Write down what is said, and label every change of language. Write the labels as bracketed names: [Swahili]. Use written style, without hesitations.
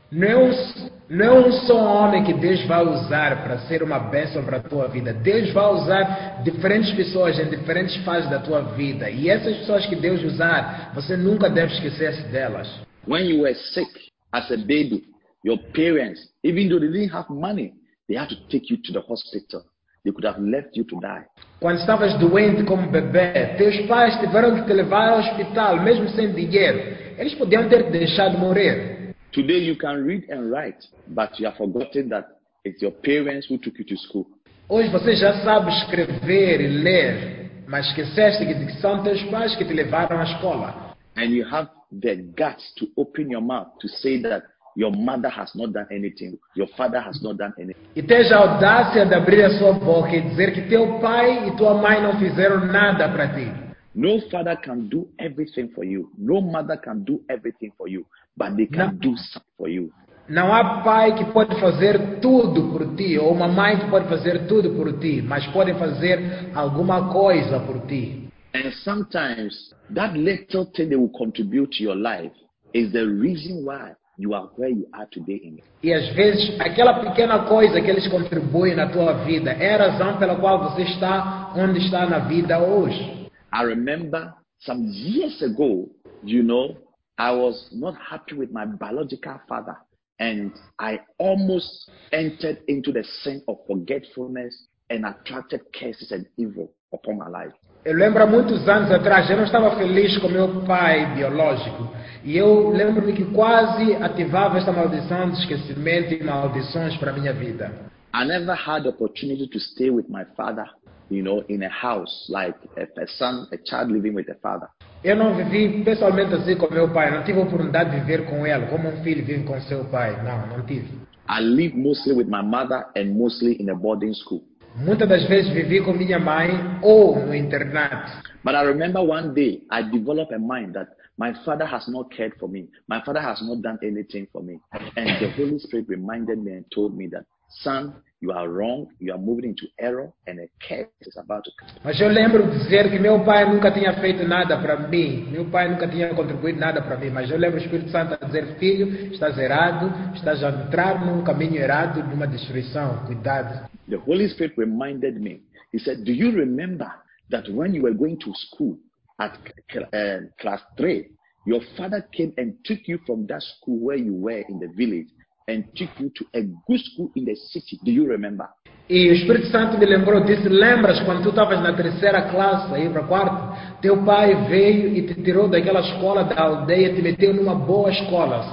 [Portuguese] Não é um só homem que Deus vai usar para ser uma bênção para a tua vida. Deus vai usar diferentes pessoas em diferentes fases da tua vida, e essas pessoas que Deus usar, você nunca deve esquecer-se delas. [English] When you were sick as a baby, your parents, even though they didn't have money, they had to take you to the hospital. They could have left you to die. [Portuguese] Quando estavas doente como bebê, teus pais tiveram que te levar ao hospital, mesmo sem dinheiro. Eles podiam ter te deixado morrer. [English] Today you can read and write, but you have forgotten that it's your parents who took you to school. [Portuguese] Hoje você já sabe escrever e ler, mas esqueceste que são teus pais que te levaram à escola. [English] And you have the guts to open your mouth to say that your mother has not done anything. Your father has not done anything. [Portuguese] E tens a audácia de abrir a sua boca e dizer que teu pai e tua mãe não fizeram nada para ti. [English] No father can do everything for you. No mother can do everything for you. But they can do something for you. [Portuguese] Não há pai que pode fazer tudo por ti, ou uma mãe que pode fazer tudo por ti, mas podem fazer alguma coisa por ti. [English] And sometimes, that little thing they will contribute to your life is the reason why you are where you are today. [Portuguese] E às vezes, aquela pequena coisa que eles contribuem na tua vida é a razão pela qual você está onde está na vida hoje. [English] I remember some years ago, you know, I was not happy with my biological father. And I almost entered into the sin of forgetfulness and attracted curses and evil upon my life. [Portuguese] Eu lembro há muitos anos atrás, eu não estava feliz com meu pai biológico. E eu lembro-me que quase ativava esta maldição de esquecimento e maldições para a minha vida. [English] I never had the opportunity to stay with my father, you know, in a house, like a son, a child living with a father. [Portuguese] Eu não vivi pessoalmente assim com meu pai, não tive a oportunidade de viver com ele, como um filho vive com seu pai. Não tive. [English] I lived mostly with my mother and mostly in a boarding school. [Portuguese] Muitas das vezes vivi com minha mãe ou no internato. [English] But I remember one day I developed a mind that my father has not cared for me. My father has not done anything for me. And the Holy Spirit reminded me and told me that, son, you are wrong, you are moving into error, and a curse is about to come. [Portuguese] Mas eu lembro de dizer que meu pai nunca tinha feito nada para mim. Meu pai nunca tinha contribuído nada para mim. Mas eu lembro o Espírito Santo a dizer, filho, estás errado, estás a entrar num caminho errado, numa destruição. Cuidado. [English] The Holy Spirit reminded me. He said, do you remember that when you were going to school at class 3, your father came and took you from that school where you were in the village and took you to a good school in the city? Do you remember? [Portuguese] E o Espírito Santo me lembrou disso. Lembras quando tu estavas na terceira classe, aí para a quarta? Teu pai veio e te tirou daquela escola da aldeia e te meteu numa boa escola.